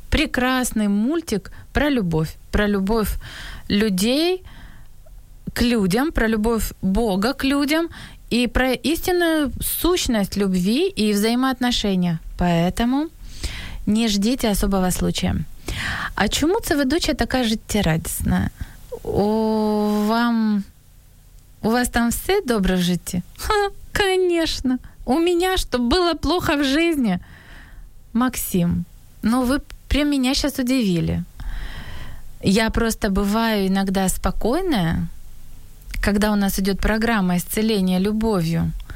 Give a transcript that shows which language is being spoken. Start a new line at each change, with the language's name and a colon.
Russian: Прекрасный мультик про любовь. Про любовь людей к людям, про любовь Бога к людям и про истинную сущность любви и взаимоотношения. Поэтому... Не ждите особого случая.
Ukrainian: А чому це ведуча така життєрадісна? У вас там все добре в житті?
Russian: Ха, конечно. У меня что, было плохо в жизни? Максим, ну вы прям меня сейчас удивили. Я просто бываю иногда спокойная, когда у нас идет программа исцеления любовью.